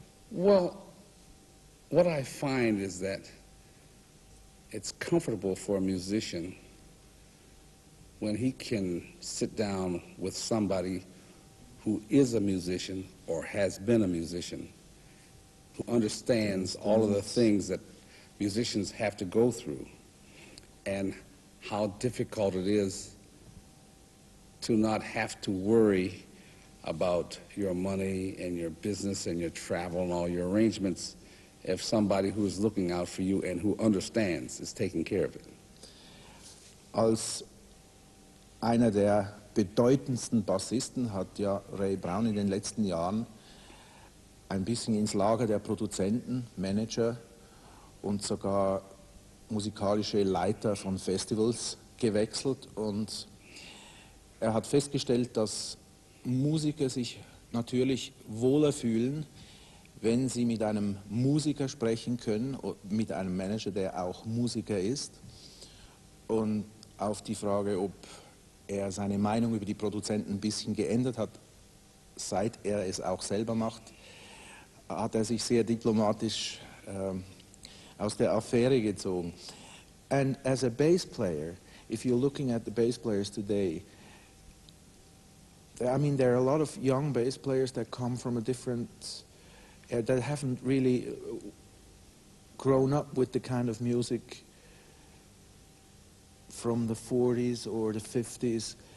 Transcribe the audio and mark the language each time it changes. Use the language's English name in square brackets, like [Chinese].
[English] Well, what I find is that it's comfortable for a musician when he can sit down with somebody who is a musician or has been a musician, who understands all of the things that musicians have to go through and how difficult it is to not have to worry about your money and your business and your travel and all your arrangements if somebody who is looking out for you and who understands is taking care of it. [German] Als einer der bedeutendsten Bassisten hat ja Ray Brown in den letzten Jahren ein bisschen ins Lager der Produzenten, Manager und sogar musikalische Leiter von Festivals gewechselt. Und er hat festgestellt, dass Musiker sich natürlich wohler fühlen, wenn sie mit einem Musiker sprechen können, mit einem Manager, der auch Musiker ist. Und auf die Frage, ob er seine Meinung über die Produzenten ein bisschen geändert hat, seit er es auch selber macht, hat er sich sehr diplomatisch aus der Affäre gezogen. [English] And as a bass player, if you're looking at the bass players today, I mean, there are a lot of young bass players that come from a different, that haven't really grown up with the kind of music from the 40s or the 50s.